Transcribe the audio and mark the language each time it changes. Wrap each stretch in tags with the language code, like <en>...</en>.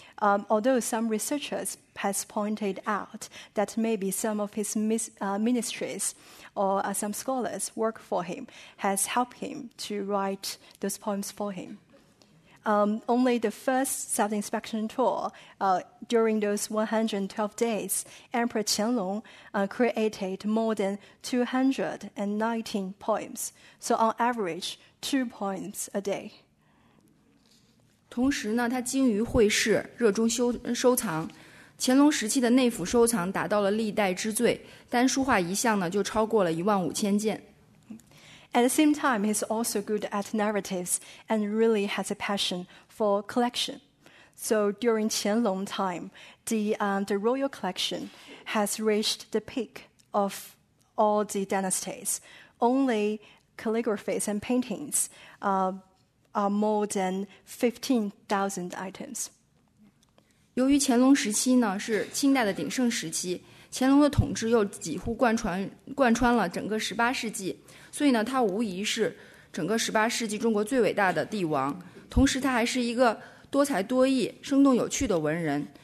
<en>Although some researchers has pointed out that maybe some of his ministries or some scholars work for him has helped him to write those poems for him. Only the first self-inspection tour during those 112 days, Emperor Qianlong created more than 219 poems. So on average, 2 poems a day.</en> <zh>同时呢，他精于会试，热衷收藏。乾隆时期的内府收藏达到了历代之最，单书画一项呢就超过了15000件。</zh> <en>At the same time, he's also good at narratives and really has a passion for collection. So during Qianlong's time, the royal collection has reached the peak of all the dynasties. Only calligraphies and paintings, are more than 15,000 items.</en> <zh>由于乾隆时期呢是清代的鼎盛时期，乾隆的统治又几乎贯穿了整个18世纪，所以呢，他无疑是整个18世纪中国最伟大的帝王。同时，他还是一个多才多艺、生动有趣的文人。</zh>